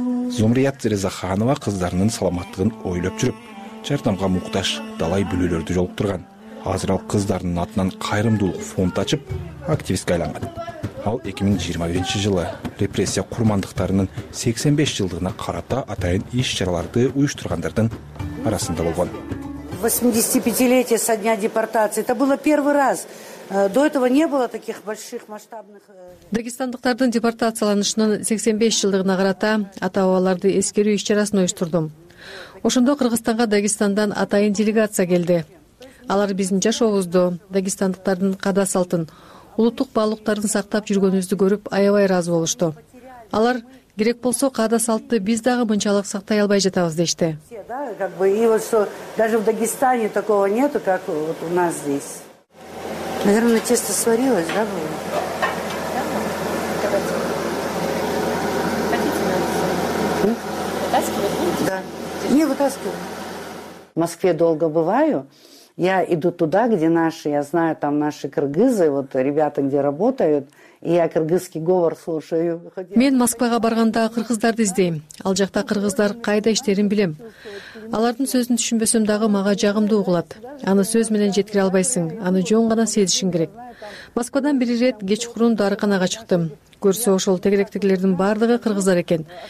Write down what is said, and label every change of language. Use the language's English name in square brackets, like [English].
[Kyrgyz] Зумрият Резаханова кыздарынын саламаттыгын ойлоп жүрүп, жардамга муктаж далай бүлөлөрдү жолуктурган. Азыр ал кыздарынын атынан кайрымдуулук фонд ачып, активистке айланган. Ал 2021 жылы репрессия курмандыктарынын 85 жылдыгына карата атайын иш-чараларды уюштургандардын арасында болгон. [Russian] 85-летие со дня депортации. Это было первый раз. До этого не было таких больших масштабных. [Kyrgyz] Дагестандыктардын депортацияланышынын 85 жылдыгына карата ата-бабаларды эскерүү иш-чарасын уюштурдум. Ошондо Кыргызстанга Дагестандан атайын делегация келди. Алар биздин жашообузду, дагестандыктардын каада салтын, улуттук баалуулуктарды сактап жүргөнүбүздү көрүп аябай ыраазы болушту. Алар керек болсо каада салтты биз дагы мынчалык сактай албай жатабыз дешти. [Russian] И вот что даже в Дагестане такого нету, как вот у нас здесь. Наверное, тесто сварилось, да, было? Вытаскивать? Да. Не вытаскиваю. В Москве долго бываю. Я иду туда, где наши, я знаю, там наши кыргызы, вот ребята, где работают. И я кыргызский говор слушаю. [Kyrgyz] Мен Москвага барганда кыргыздарды издейм. Ал жакта кыргыздар кайда иштерин билем. Алардын сөзүн түшүнбөсөм дагы мага жагымдуу угулат. Аны сөз менен жеткире албайсың, аны жөн гана сезишиң керек. Москвадан бир ирет кечкурун дарыканага чыктым. Көрсө ошол тегеректегилердин баардыгы кыргыздар экен.